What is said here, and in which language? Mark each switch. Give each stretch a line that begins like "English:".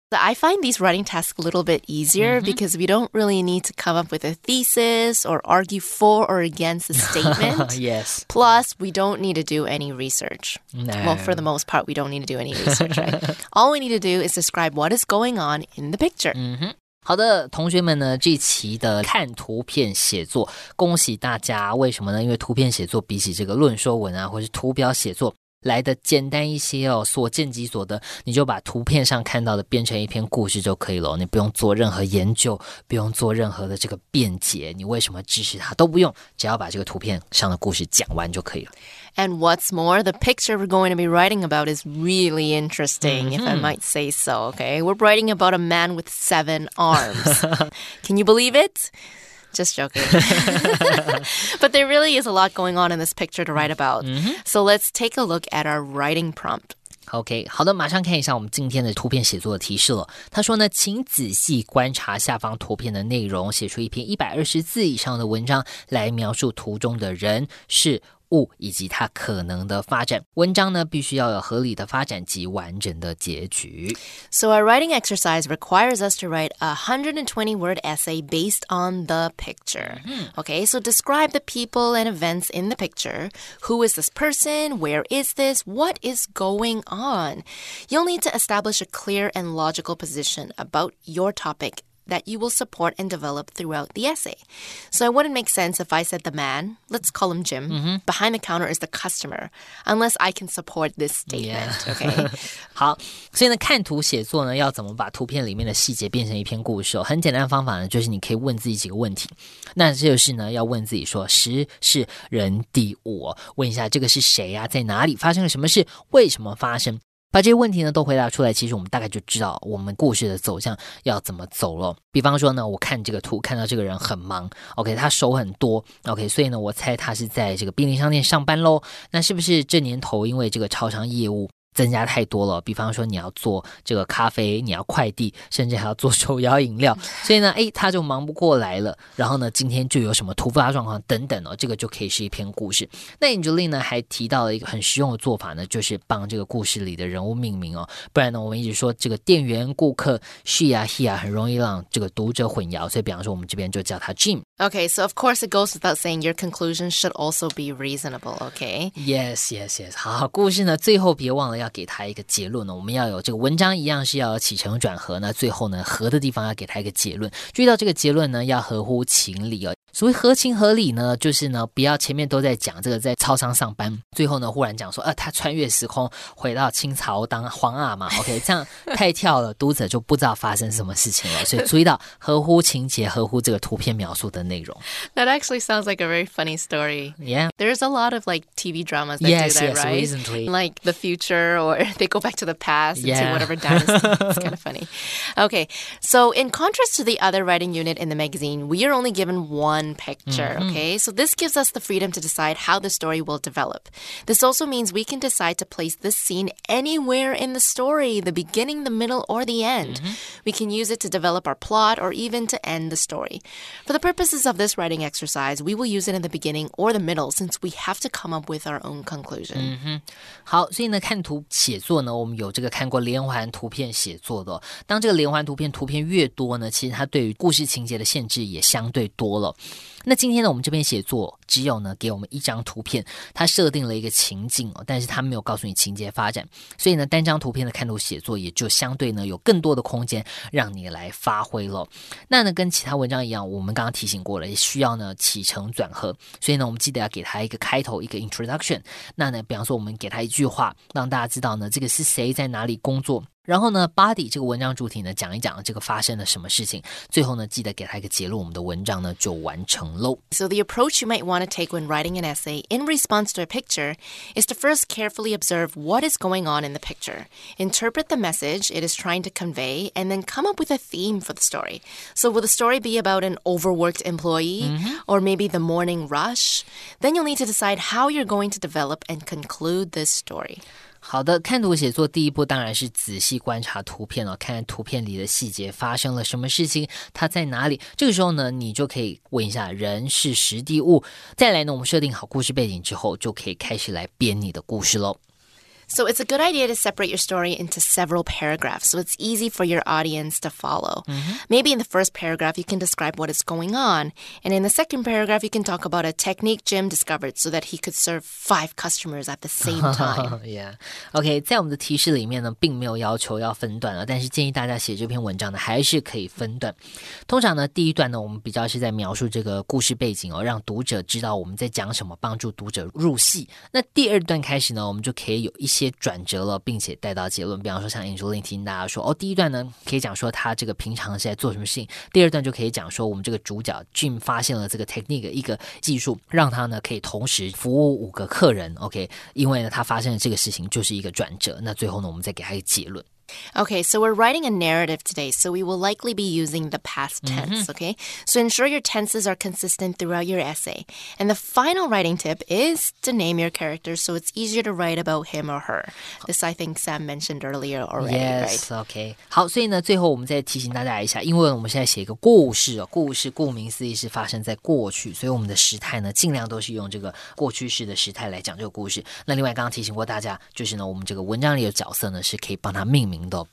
English: I find these writing tasks a little bit easier because we don't really need to come up with a thesis or argue for or against a statement. Yes. Plus, we don't need to do any research. No. Well, for the most part, we don't need to do any research, right? All we need to do is describe what is going on in the picture. Mm-hmm.
Chinese: 好的，同学们呢，这期的看图片写作，恭喜大家。为什么呢？因为图片写作比起这个论说文啊，或是图表写作来的简单一些哦，所见即所得，你就把图片上看到的变成一篇故事就可以了，你不用做任何研究，不用做任何的这个辩解，你为什么支持它都不用，只要把这个图片上的故事讲完就可以了。
English: And what's more, the picture we're going to be writing about is really interesting, if I might say so, okay? We're writing about a man with 7 arms. Can you believe it? Just joking. But there really is a lot going on in this picture to write about. So let's take a look at our writing prompt.
Chinese: Okay, 好的，马上看一下我们今天的图片写作的提示了。他说呢，请仔细观察下方图片的内容，写出一篇120字以上的文章来描述图中的人、事、物以及它可能的发展。文章呢，必须要有合理的发展及完整的结局。
English: So our writing exercise requires us to write a 120-word essay based on the picture. Okay, so describe the people and events in the picture. Who is this person? Where is this? What is going on? You'll need to establish a clear and logical position about your topic that you will support and develop throughout the essay. So it wouldn't make sense if I said the man, let's call him Jim, behind the counter is the customer, unless I can support this statement. Yeah. Okay.
Chinese: 好，所以呢，看图写作呢，要怎么把图片里面的细节变成一篇故事哦？很简单的方法呢，就是你可以问自己几个问题。那这就是呢，要问自己说，时是人第五，问一下这个是谁啊，在哪里发生了什么事，为什么发生？把这些问题呢都回答出来，其实我们大概就知道我们故事的走向要怎么走了。比方说呢，我看这个图，看到这个人很忙 ，OK， 他手很多 ，OK， 所以呢，我猜他是在这个便利商店上班喽。那是不是这年头因为这个超商业务增加太多了？比方说你要做这个咖啡，你要快递，甚至还要做手摇饮料，所以呢，哎，他就忙不过来了。然后呢，今天就有什么突发状况等等哦，这个就可以是一篇故事。那 Angeline 呢还提到了一个很实用的做法呢，就是帮这个故事里的人物命名哦，不然呢，我们一直说这个店员、顾客 she 啊 he 啊，很容易让这个读者混淆。所以，比方说我们这边就叫他 Jim。
English: Okay, so of course it goes without saying your conclusion should also be reasonable, okay? Yes, yes, yes.
Chinese: 好，故事呢，最后别忘了要给他一个结论呢。我们要有这个文章一样是要有起承转合，那最后呢，合的地方要给他一个结论。注意到这个结论呢，要合乎情理哦。所谓合情合理呢，就是呢，不要前面都在讲这个在超商上班，最后呢忽然讲说，他穿越时空回到清朝当皇阿玛 ，OK， 这样太跳了，读者就不知道发生什么事情了。所以注意到合乎情节，合乎这个图片描述的内容。
English: That actually sounds like a very funny story. Yeah, there's a lot of like TV dramas that yes, do that, yes, right? Yes, recently, like the future or they go back to the past to whatever dynasty. It's kind of funny. Okay, so in contrast to the other writing unit in the magazine, we are only given one picture, okay? So this gives us the freedom to decide how the story will develop. This also means we can decide to place this scene anywhere in the story, the beginning, the middle, or the end. We can use it to develop our plot or even to end the story. For the purposes of this writing exercise, we will use it in the beginning or the middle since we have to come up with our own conclusion.
Chinese: 好，所以呢，看图写作呢，我们有这个看过连环图片写作的。当这个连环图片越多呢，其实它对于故事情节的限制也相对多了。那今天呢，我们这边写作只有呢给我们一张图片，它设定了一个情境，但是它没有告诉你情节发展，所以呢单张图片的看图写作也就相对呢有更多的空间让你来发挥了。那呢跟其他文章一样，我们刚刚提醒过了，也需要呢起承转合，所以呢我们记得要给它一个开头，一个 introduction。那呢比方说我们给它一句话，让大家知道呢这个是谁在哪里工作，然后呢 body 这个文章主体呢讲一讲这个发生了什么事情，最后呢记得给他一个结论，我们的文章呢就完成了。
English: So the approach you might want to take when writing an essay in response to a picture is to first carefully observe what is going on in the picture, interpret the message it is trying to convey, and then come up with a theme for the story. So will the story be about an overworked employee or maybe the morning rush? Then you'll need to decide how you're going to develop and conclude this story.
Chinese: 好的，看图写作第一步当然是仔细观察图片了，看图片里的细节发生了什么事情，它在哪里。这个时候呢，你就可以问一下人、事、实地、物。再来呢，我们设定好故事背景之后，就可以开始来编你的故事喽。
English: So it's a good idea to separate your story into several paragraphs so it's easy for your audience to follow. Mm-hmm. Maybe in the first paragraph, you can describe what is going on. And in the second paragraph, you can talk about a technique Jim discovered so that he could serve 5 customers at the same time. Yeah.
Chinese: Okay, 在我们的提示里面呢并没有要求要分段了但是建议大家写这篇文章呢还是可以分段。通常呢第一段呢我们比较是在描述这个故事背景哦让读者知道我们在讲什么帮助读者入戏。那第二段开始呢我们就可以有一些转折了并且带到结论比方说像 Angeline 提醒大家说、哦、第一段呢可以讲说他这个平常是在做什么事情第二段就可以讲说我们这个主角 Jim 发现了这个 technique 一个技术让他呢可以同时服务五个客人 OK 因为呢他发现了这个事情就是一个转折那最后呢我们再给他一个结论
English: Okay, so we're writing a narrative today, so we will likely be using the past tense, mm-hmm. okay? So ensure your tenses are consistent throughout your essay. And the final writing tip is to name your character so it's easier to write about him or her. This, I think, Sam mentioned earlier already, yes, right? Yes, okay.
Chinese: 好,所以呢,最后我们再提醒大家一下,因为我们现在写一个故事,故事顾名思义是发生在过去,所以我们的时态呢,尽量都是用这个过去式的时态来讲这个故事。那另外刚刚提醒过大家,就是呢,我们这个文章里的角色呢,是可以帮他命名。